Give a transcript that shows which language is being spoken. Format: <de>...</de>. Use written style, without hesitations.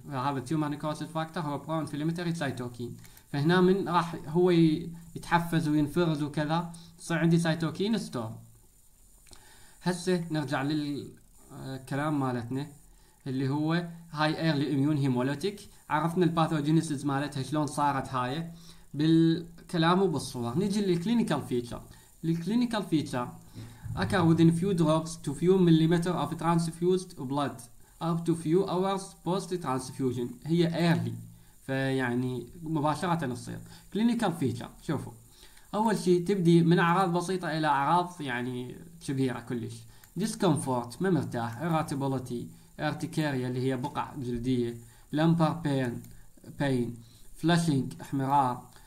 <ar>هذا تيومر نيكروسيس فاكتور هو برو انفلاماتوري سايتوكين، فهنا من راح هو يتحفز وينفرز وكذا صار عندي سايتوكين ستور. هسه نرجع للكلام مالتنا اللي هو هاي ايرلي اميون هيمولوتيك، عرفنا الباثوجينيسيس مالتها شلون صارت هاي بالكلام وبالصور. نجي للكلينيكال فيتشر. الكلينيكال فيتشر</ar> <en>occur within few drops to few millimeter of transfused blood up to few hours post transfusion.</en> <ar>هي early فيعني مباشرة تصير. clinical feature شوفوا، أول شيء تبدي من أعراض بسيطة إلى أعراض يعني كبيرة كلش. discomfort ما مرتاح، irritability، urticaria اللي هي بقع جلدية، lumbar pain، flushing احمرار.</ar>